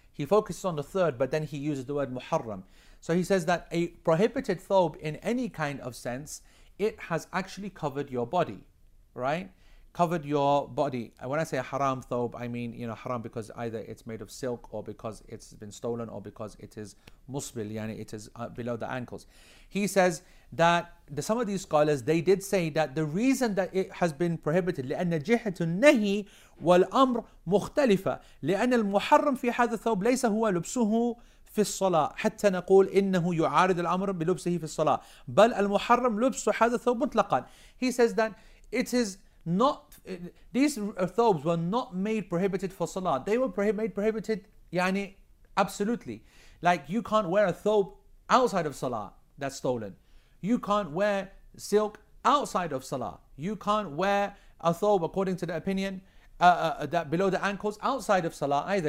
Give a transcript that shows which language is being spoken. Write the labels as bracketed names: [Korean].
[English] He focuses on the third, but then he uses the word muharram. So he says that a prohibited thawb in any kind of sense, it has actually covered your body, right? Covered your body. And when I say a haram thawb, I mean, you know, haram because either it's made of silk or because it's been stolen or because it is musbil, yani it is below the ankles. He says that some of these scholars, they did say that the reason that it has been prohibited, [Arabic] لأن جهة النهي والأمر مختلفة لأن المحرم في هذا الثوب ليس هو لبسه في الصلاة حتى نقول إنه يعارض الأمر بلبسه في الصلاة بل المحرم لبس هذا الثوب مطلقا. [English] He says that it is not, these thobes were not made prohibited for salah. They were made prohibited, يعني absolutely. Like you can't wear a thobe outside of salah that's stolen. You can't wear silk outside of salah. You can't wear a thawb according to the opinion that below the ankles outside of salah either.